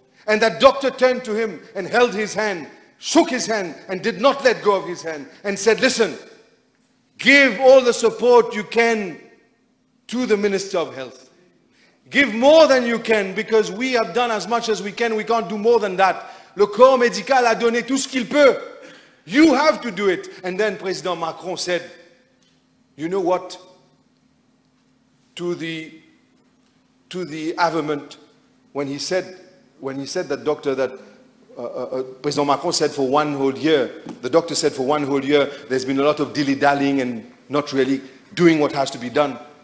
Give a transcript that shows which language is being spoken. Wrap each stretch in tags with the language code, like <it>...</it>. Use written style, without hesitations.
<en>And that doctor turned to him and held his hand, shook his hand and did not let go of his hand and said, listen, give all the support you can to the Minister of Health. Give more than you can, because we have done as much as we can. We can't do more than that.</en> <fr>Le corps médical a donné tout ce qu'il peut.</fr> <en>You have to do it. And then President Macron said, you know what? To the averment, when he said that doctor, that President Macron said for one whole year, the doctor said for one whole year, there's been a lot of dilly-dallying and not really doing what has to be done.</en>